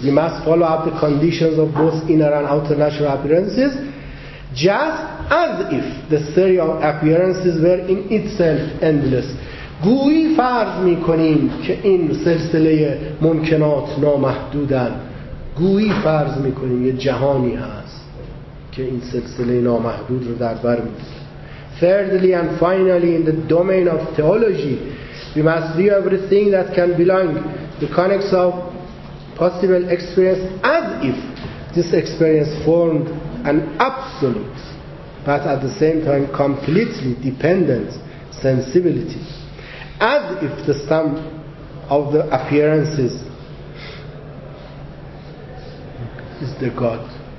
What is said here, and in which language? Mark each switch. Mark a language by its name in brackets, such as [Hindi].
[English] We must follow up the conditions of both inner and outer natural appearances just as if the series of appearances were in itself endless. [Persian] گویی فرض می کنیم که این سلسله ممکنات نامحدودن. گویی فرض می کنیم یه جهانی هست که این سلسله نامحدود رو در بر می دهد. [English] Thirdly and finally in the domain of theology, we must view everything that can belong the context of possible experience as if this experience formed an absolute but at the same time completely dependent sensibility, as if the sum of the appearances is the God.